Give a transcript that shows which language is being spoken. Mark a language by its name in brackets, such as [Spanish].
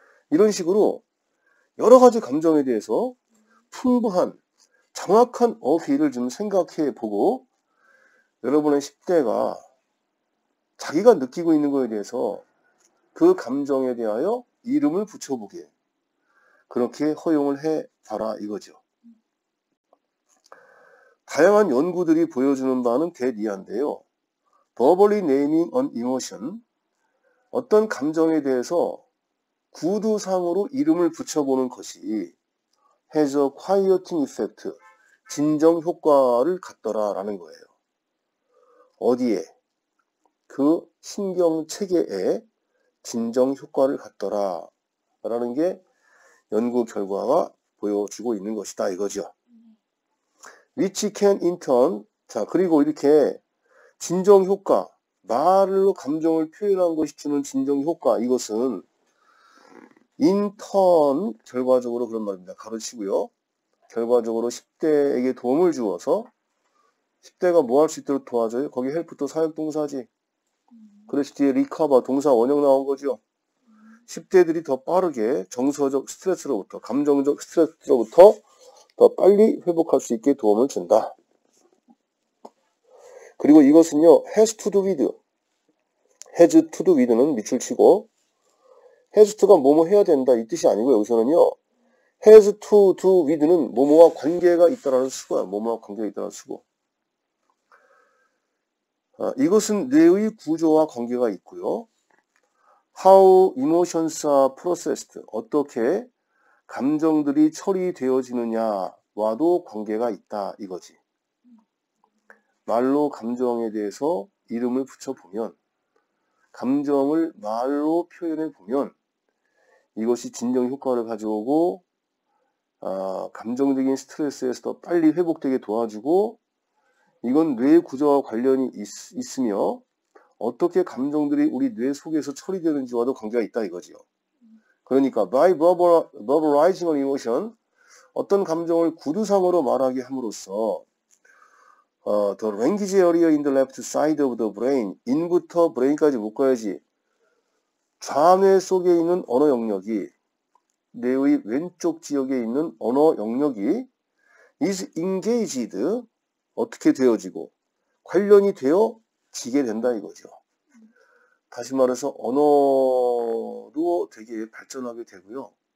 [Korean] 이런 식으로 여러 가지 감정에 대해서 풍부한 정확한 어휘를 좀 생각해 보고, 여러분의 10대가 자기가 느끼고 있는 거에 대해서 그 감정에 대하여 이름을 붙여보게. 그렇게 허용을 해 봐라 이거죠. 다양한 연구들이 보여주는 바는 대니한데요. [English] Verbally naming an emotion. [Korean] 어떤 감정에 대해서 구두상으로 이름을 붙여보는 것이 [English] has a quieting effect. [Korean] 진정 효과를 갖더라라는 거예요. 어디에? 그 신경 체계에 진정 효과를 갖더라. 라는 게 연구 결과가 보여주고 있는 것이다. 이거죠. [English] Which can in turn, [Korean] 자, 그리고 이렇게 진정 효과, 말로 감정을 표현한 것이 주는 진정 효과, 이것은 in turn, 결과적으로 그런 말입니다. 가르치고요. 결과적으로 10대에게 도움을 주어서 10대가 뭐할수 있도록 도와줘요? 거기 help도 사역 동사지. 그래서 뒤에 recover, 동사 원형 나온 거죠. 10대들이 더 빠르게 정서적 스트레스로부터, 감정적 스트레스로부터 더 빨리 회복할 수 있게 도움을 준다. 그리고 이것은요, [English] has to do with. has to do with [Korean] 는 밑줄 치고, has to가 뭐뭐 해야 된다 이 뜻이 아니고, 여기서는요, has to do with는 뭐뭐와 관계가 있다라는 수거야. 뭐뭐와 관계가 있다라는 수거. 이것은 뇌의 구조와 관계가 있고요. [English] How emotions are processed. [Korean] 어떻게 감정들이 처리되어지느냐와도 관계가 있다. 이거지. 말로 감정에 대해서 이름을 붙여보면, 감정을 말로 표현해보면, 이것이 진정 효과를 가져오고, 감정적인 스트레스에서 더 빨리 회복되게 도와주고, 이건 뇌 구조와 관련이 있으며, 어떻게 감정들이 우리 뇌 속에서 처리되는지와도 관계가 있다 이거지요. [English] 그러니까 by verbalizing an emotion, [Korean] 어떤 감정을 구두상으로 말하게 함으로써 [English] the language area in the left side of the brain, [Korean] in부터 brain까지 묶어야지. 좌뇌 속에 있는 언어 영역이, 뇌의 왼쪽 지역에 있는 언어 영역이 [English] is engaged, [Korean] 어떻게 되어지고 관련이 되어 지게 된다 이거죠. 다시 말해서 언어도 되게 발전하게 되고요.